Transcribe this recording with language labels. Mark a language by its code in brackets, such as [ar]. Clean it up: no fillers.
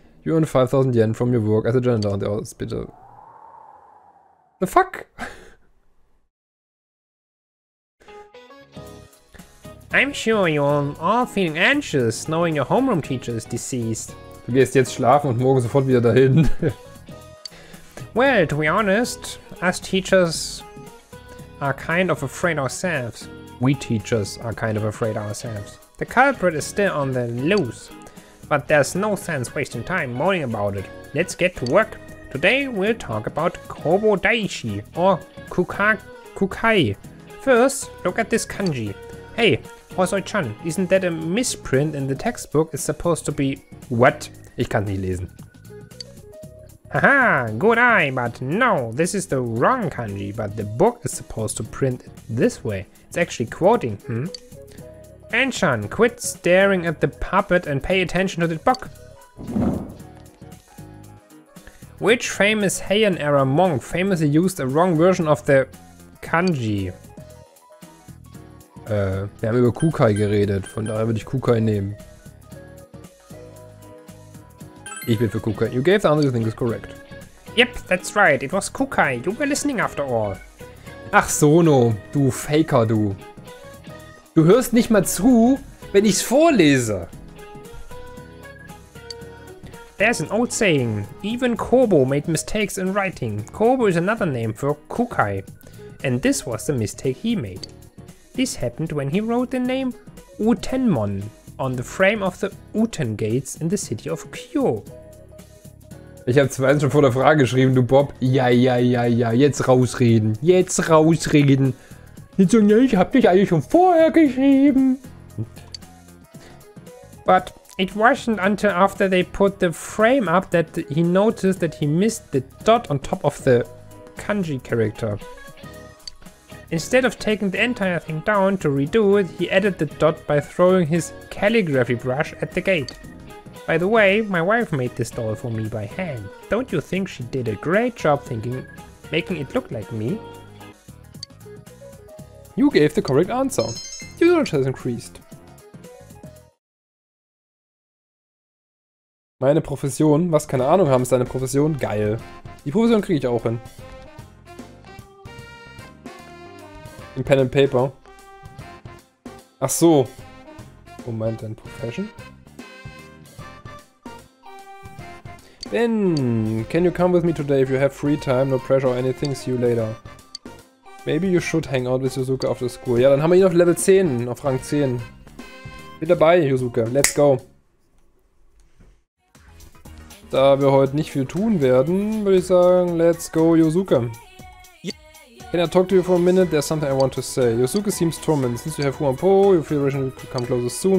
[en] You earned 5000 yen from your work as a janitor in the hospital. The fuck? I'm sure you're all feeling anxious, knowing your homeroom teacher is deceased. [de] Du gehst jetzt schlafen und morgen sofort wieder dahin. [en] Well, to be honest, us teachers are kind of afraid ourselves. We teachers are kind of afraid ourselves. The culprit is still on the loose, but there's no sense wasting time mourning about it. Let's get to work. Today we'll talk about Kobo Daishi, or Kukai. First, look at this kanji. Hey, Hosoi-chan, isn't that a misprint in the textbook? It's supposed to be... What? [de] Ich kann's nicht lesen. [en] Haha, good eye, but no, this is the wrong kanji, but the book is supposed to print it this way. It's actually quoting, hmm? Anshan, quit staring at the puppet and pay attention to the book. Which famous Heian era monk famously used a wrong version of the kanji? [de] Wir haben über Kukai geredet, von daher würde ich Kukai nehmen. Ich bin für Kukai. [en] You gave the answer you think is correct. Yep, that's right. It was Kukai. You were listening after all. [de] Ach Sono, du Faker, du. Du hörst nicht mal zu, wenn ich's vorlese. [en] There's an old saying. Even Kobo made mistakes in writing. Kobo is another name for Kukai. And this was the mistake he made. This happened when he wrote the name Utenmon on the frame of the Uten Gates in the city of Kyo. [de] Ich habe zwei schon vor der Frage geschrieben, du Bob. Ja, ja, ja, ja, jetzt rausreden. Jetzt rausreden. Jetzt sagen, ja, ich hab dich eigentlich schon vorher geschrieben. [en] But it wasn't until after they put the frame up that he noticed that he missed the dot on top of the kanji character. Instead of taking the entire thing down to redo it, he added the dot by throwing his calligraphy brush at the gate. By the way, my wife made this doll for me by hand. Don't you think she did a great job making it look like me? You gave the correct answer. Your knowledge has increased. [de] Meine Profession? Was? Keine Ahnung haben, ist deine Profession? Geil. Die Profession kriege ich auch hin. Pen and Paper. Ach so. Moment, dein Profession. [en] Ben, can you come with me today if you have free time? No pressure or anything. See you later. Maybe you should hang out with Yusuke after school. [de] Ja, dann haben wir ihn auf Level 10, auf Rang 10. Bin dabei, Yusuke. [en] Let's go. [de] Da wir heute nicht viel tun werden, würde ich sagen, [en] let's go, [de] Yusuke. [en] Can I talk to you for a minute? There's something I want to say. Yusuke seems tormented. Since you have one po, you feel ready to come closer soon.